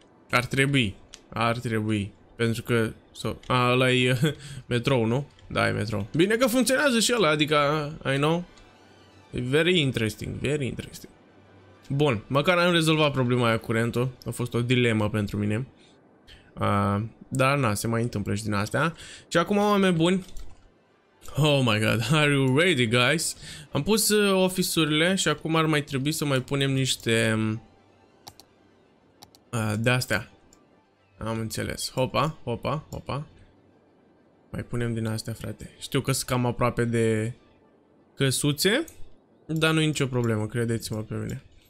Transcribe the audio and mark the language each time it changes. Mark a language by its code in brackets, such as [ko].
[ro] Ar trebui. Pentru că... ăla e metrou, nu? Da, e metrou. Bine că funcționează și ăla, adică... [en] I know. Very interesting. [ro] Bun, măcar am rezolvat problema aia curentul. A fost o dilemă pentru mine. Dar na, se mai întâmplă și din astea. Și acum, oameni buni... [en] Oh my god, are you ready, guys? [ro] Am pus office-urile și acum ar mai trebui să mai punem niște de-astea. Am înțeles. Hopa. Mai punem din astea, frate. Știu că sunt cam aproape de căsuțe, dar nu e nicio problemă, credeți-mă pe mine.